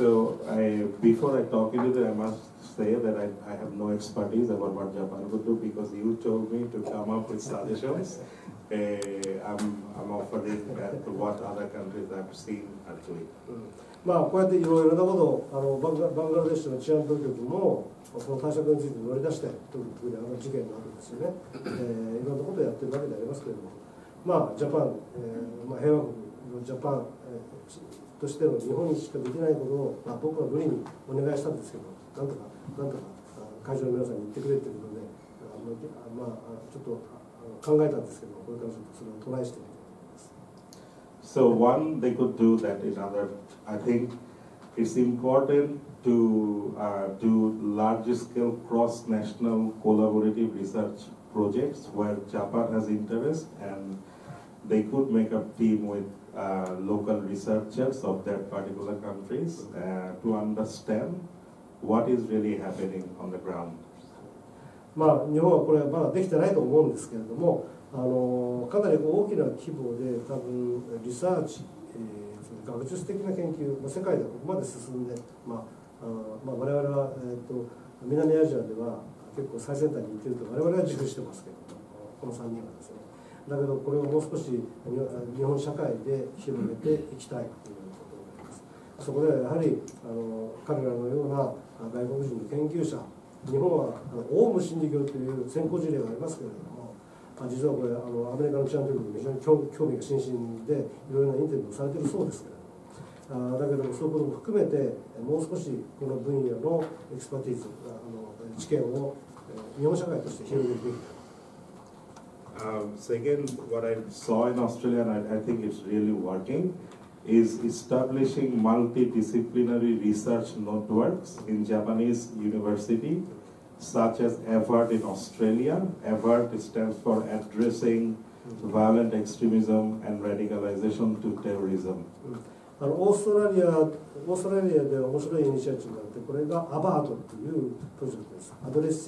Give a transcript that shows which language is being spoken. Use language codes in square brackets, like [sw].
[en] So before I talk into that, I mustsay that I have no expertise about what Japan would do because you told me to come up with suggestions. I'm offering that what other countries I've seen are doing. [ja] まあこうやっていろいろなことをバングラデシュの治安当局もその対策について乗り出して特にあの事件があるんですよね。いろんなことをやってるわけでありますけれども、まあジャパン、まあ平和国のジャパン、としての日本にしかできないことを、まあ、僕は無理にお願いしたんですけど、なんとか会場の皆さんに言ってくれっていうことで、ちょっと考えたんですけど、これからちょっとそれをトライしてみたいと思います。 [en] So one they could do that is another. I think it's important to do large scale cross national collaborative research projects where Japan has interest and they could make a team withlocal researchers of that particular countries to understand what is really happening on the ground. [ja] まあ日本はこれはまだできてないと思うんですけれども、かなり大きな規模で多分リサーチ、学術的な研究、世界ではここまで進んで、まあ我々は南アジアでは結構最先端に行っていると我々は自負してますけど、この3人はですね。だけどこれをもう少し日本社会で広げていきたいというようなことになります。そこではやはり彼らのような外国人の研究者、日本はオウム真理教という先行事例がありますけれども、実はこれアメリカの治安局に非常に興味が津々でいろいろなインタビューをされているそうですけれども、だけどもそういうことも含めてもう少しこの分野のエクスパティーズ、知見を日本社会として広げるべきだ。 [en] So again, what I saw in Australia, and I think it's really working, is establishing multidisciplinary research networks in Japanese university, such as EVERT in Australia. EVERT stands for Addressing Violent Extremism and Radicalization to Terrorism. [ja] オーストラリアで面白いイニシアチブがあって、これが ABERT というプロジェクトです。